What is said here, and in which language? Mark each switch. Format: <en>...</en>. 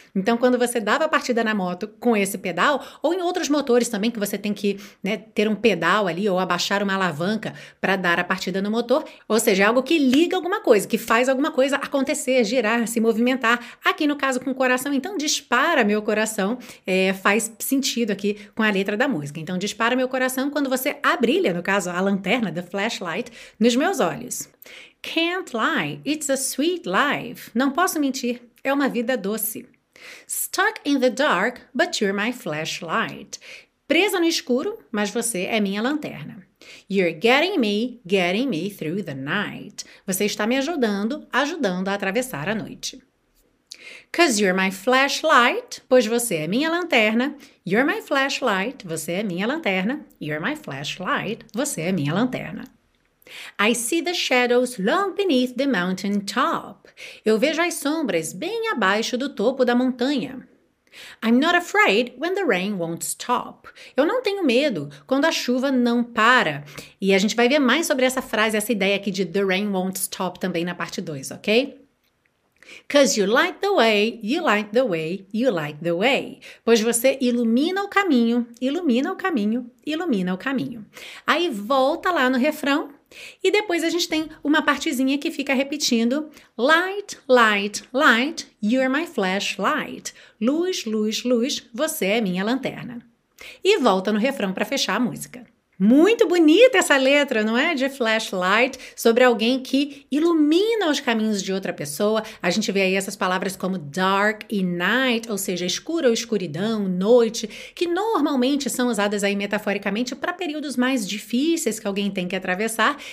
<pt>Então, quando você dava a partida na moto com esse pedal, ou em outros motores também que você tem que, né, ter um pedal ali ou abaixar uma alavanca, para dar a partida no motor, ou seja, é algo que liga alguma coisa, que faz alguma coisa acontecer, girar, se movimentar, aqui no caso com o coração, então dispara meu coração, faz sentido aqui com a letra da música, então dispara meu coração quando você abrilha, no caso a lanterna, the flashlight, nos meus olhos.</pt> <en>Can't lie, it's a sweet life,</en> <pt>não posso mentir, é uma vida doce.</pt> <en>Stuck in the dark, but you're my flashlight,</en> <pt>presa no escuro, mas você é minha lanterna.</pt> <en>You're getting me through the night.</en> <pt>Você está me ajudando, ajudando a atravessar a noite.</pt> <en>'Cause you're my flashlight,</en> <pt>pois você é minha lanterna.</pt> <en>You're my flashlight,</en> <pt>você é minha lanterna. You're my flashlight, você é minha lanterna.</pt> <en>I see the shadows long beneath the mountain top.</en> <pt>Eu vejo as sombras bem abaixo do topo da montanha.</pt> <en>I'm not afraid when the rain won't stop.</en> <pt>Eu não tenho medo quando a chuva não para. E a gente vai ver mais sobre essa frase, essa ideia aqui de</pt> <en>the rain won't stop</en> <pt>também na parte 2, ok?</pt> <en>Because you light the way, you light the way, you light the way.</en> <pt>Pois você ilumina o caminho, ilumina o caminho, ilumina o caminho. Aí volta lá no refrão e depois a gente tem uma partezinha que fica repetindo.</pt> <en>Light, light, light, you're my flashlight.</en> <pt>Luz, luz, luz, você é minha lanterna. E volta no refrão para fechar a música. Muito bonita essa letra, não é? De flashlight, sobre alguém que ilumina os caminhos de outra pessoa. A gente vê aí essas palavras como dark e night, ou seja, escura ou escuridão, noite, que normalmente são usadas aí metaforicamente para períodos mais difíceis que alguém tem que atravessar.</pt>